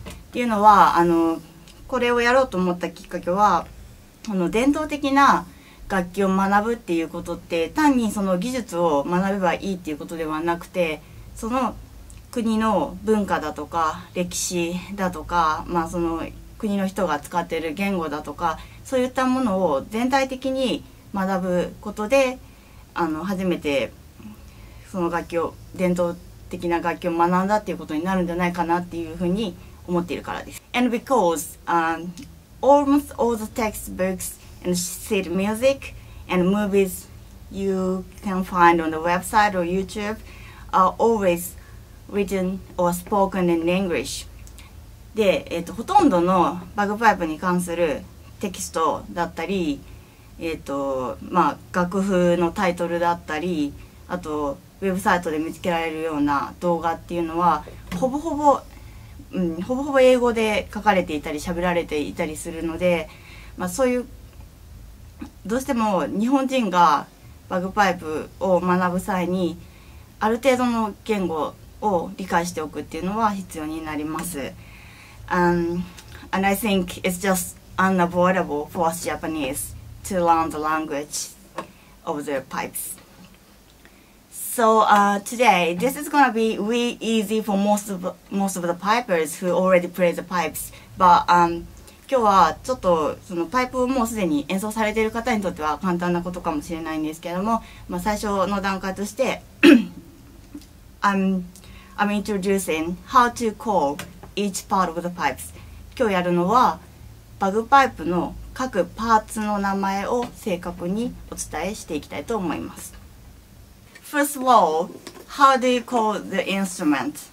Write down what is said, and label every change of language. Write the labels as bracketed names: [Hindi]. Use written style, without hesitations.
[Japanese] っていうのは、これをやろうと思ったきっかけは、伝統的な楽器を学ぶっていうことって、単にその技術を学べばいいっていうことではなくて、その国の文化だとか歴史だとか、まあその国の人が使っている言語だとか、そういったものを全体的に学ぶことで、初めてその楽器を、伝統的な楽器を学んだっていうことになるんじゃないかなっていうふうに思っているからです。 [English] And because almost all the textbooksand sheet music and movies you can find on the website or YouTube are always written or spoken in English. [Japanese] で、ほとんどのバグパイプに関するテキストだったり、まあ、楽譜のタイトルだったり、あとウェブサイトで見つけられるような動画っていうのはほぼほぼ、ほぼほぼ英語で書かれていたり喋られていたりするので、まあ、そういうどうしても日本人がバグパイプを学ぶ際にある程度の言語を理解しておくっていうのは必要になります。 [English] And I think it's just unavoidable for us Japanese to learn the language of the pipes. So today this is gonna be really easy for most of the pipers who already play the pipes, but [Japanese] 今日はちょっとそのパイプをもうすでに演奏されている方にとっては簡単なことかもしれないんですけれども、まあ、最初の段階として [English] I'm introducing how to call each part of the pipes. [Japanese] 今日やるのはバグパイプの各パーツの名前を正確にお伝えしていきたいと思います。 [English] First of all, how do you call the instrument?